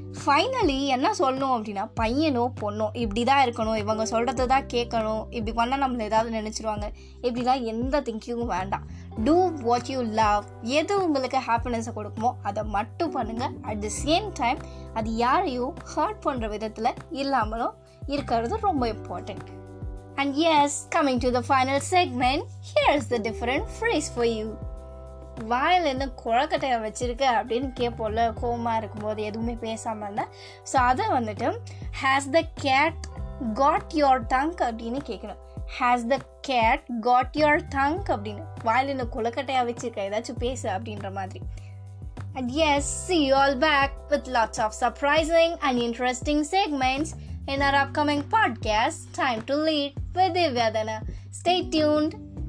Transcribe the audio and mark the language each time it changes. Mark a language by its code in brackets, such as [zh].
[ta] Finally என்ன சொல்லணும் அப்படின்னா, பையனோ பொண்ணோ இப்படி தான் இருக்கணும், இவங்க சொல்கிறது தான் கேட்கணும், இப்படி பண்ணால் நம்மளை ஏதாவது நினச்சிருவாங்க, இப்படிலாம் எந்த திங்கிங்கும் வேண்டாம். [en] do what you love, [ta] எது உங்களுக்கு ஹாப்பினஸை கொடுக்குமோ அதை மட்டும் பண்ணுங்கள். [en] at the same time [ta] அது யாரையும் ஹர்ட் பண்ணுற விதத்தில் இல்லாமலும் இருக்கிறது ரொம்ப important. [en] And yes, coming to the final segment, here's the different phrase for you. [ta] வாயில் என்ன குழக்கட்டையை வச்சுருக்கு அப்படின்னு கேட்போல கோபமாக இருக்கும்போது எதுவுமே பேசாமல் இருந்தேன். [en] so [ta] அதை வந்துட்டு [en] has the cat got your tongue [ta] அப்படின்னு கேட்கணும். [en] has the cat got your tongue [ta] அப்படின்னு, வாயில் என்ன குழக்கட்டையாக வச்சுருக்க ஏதாச்சும் பேசு அப்படின்ற மாதிரி. [en] And yes, see you all back with lots of surprising and interesting segments in our upcoming podcast, Time to Lead with Divya Dana. Stay tuned.